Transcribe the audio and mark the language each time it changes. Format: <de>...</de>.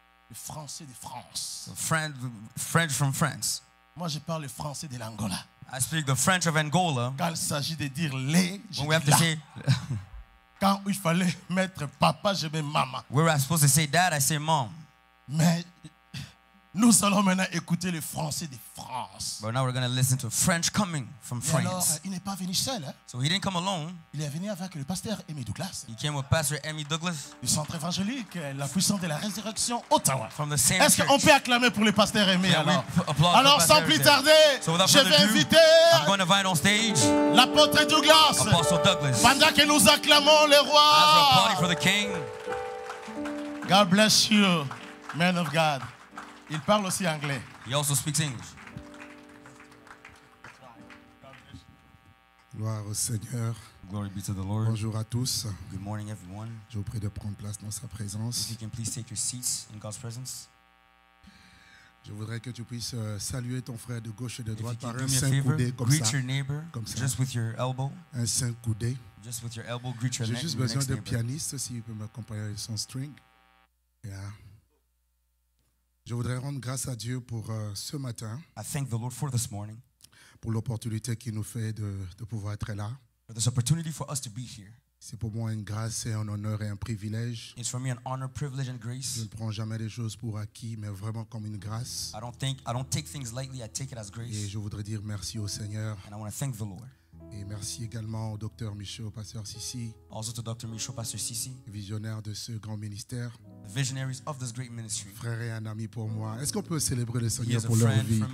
<fr>Les Français de France.</fr> <en>French from France.</en> <fr>Moi, je parle le français de l'Angola.</fr> <en>I speak the French of Angola.</en> <fr>Quand il s'agit de dire les,</fr> <en>when we have to say.</en> <fr>Quand il fallait mettre papa, je mets maman.</fr> <en>Where I supposed to say dad, I say mom.</en> <fr>Mais nous allons maintenant écouter le français de France.</fr> <en>But now we're going to listen to French coming from France.</en> <fr>Alors, il n'est pas venu seul. Hein?</fr> <en>So he didn't come alone.</en> <fr>Il est venu avec le pasteur Amy Douglas.</fr> <en>He came with Pastor Amy Douglas.</en> <fr>Du centre évangélique, la puissance de la résurrection, Ottawa.</fr> <en>From the same</en> <fr>Est-ce</fr> <en>church.</en> <fr>Qu'on peut acclamer pour le pasteur Amy</fr> <en>yeah,</en> <fr>alors?</fr> <en>Applaud</en> <fr>alors, sans plus tarder,</fr> <en>so</en> <fr>je vais inviter</fr> <en>I'm going to invite on stage</en> <fr>l'apôtre Douglas.</fr> <en>Apostle Douglas.</en> <fr>Pendant que nous acclamons le roi.</fr> <en>Applauding for the king. God bless you, man of God.</en> <fr>Il parle aussi anglais.</fr> <en>He also speaks English.</en> <fr>Gloire au Seigneur.</fr> <en>Glory be to the Lord.</en> <fr>Bonjour à tous.</fr> <en>Good morning, everyone.</en> <fr>Je vous prie de prendre place dans sa présence.</fr> <en>If you can please take your seats in God's presence.</en> <fr>Je voudrais que tu puisses saluer ton frère de gauche et de droite</fr> <en>if you</en> <fr>par un saint coudé comme</fr> <en>greet</en> <fr>ça.</fr> <en>Your neighbor,</en> <fr>comme ça.</fr> <en>Just with your elbow.</en> <fr>Un saint coudé.</fr> <en>Just with your elbow, greet your</en> <fr>J'ai</fr> <en>next,</en> <fr>juste besoin</fr> <en>next</en> <fr>de pianiste s'il peut m'accompagner avec son string. Yeah. Je voudrais rendre grâce à Dieu pour ce matin.</fr> <en>I thank the Lord for this morning.</en> <fr>pour l'opportunité qui nous fait de pouvoir être là.</fr> <en>For this opportunity for us to be here.</en> <fr>C'est pour moi une grâce et un honneur et un privilège.</fr> <en>It's for me an honor, privilege and grace.</en> <fr>Je ne prends jamais les choses pour acquis, mais vraiment comme une grâce.</fr> <en>I don't take things lightly, I take it as grace.</en> <fr>Et je voudrais dire merci au Seigneur.</fr> <en>And I want to thank the Lord.</en> <fr>Et merci également au docteur Michaud, pasteur Sissi.</fr> <en>Also to Dr. Michaud, pasteur Sissi.</en> <fr>Visionnaire de ce grand ministère.</fr> <en>The visionaries of this great ministry.</en> <fr>Frère et un ami pour moi. Est-ce qu'on peut célébrer le Seigneur pour leur vie?</fr>